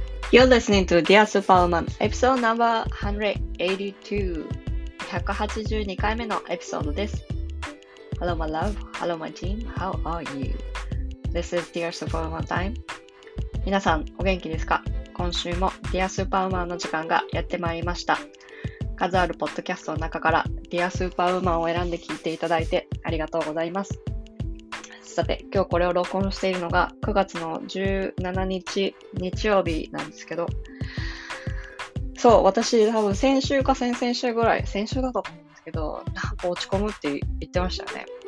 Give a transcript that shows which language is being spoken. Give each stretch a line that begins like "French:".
English: You're listening to Dear Superwoman, episode number 182.
Japanese: 182回目のエピソードです。
English: Hello, my love. Hello, my team. How are you? This is Dear Superwoman time.
Japanese: 皆さん、お元気ですか？今週も Dear Superwoman の時間がやってまいりました。数あるポッドキャストの中から Dear Superwoman を選んで聞いていただいてありがとうございます。さて、今日これを録音しているのが9月の17日日曜日なんですけど、そう、私多分先週か先々週ぐらい、先週だったと思うんですけど、なんか落ち込むって言ってましたよね。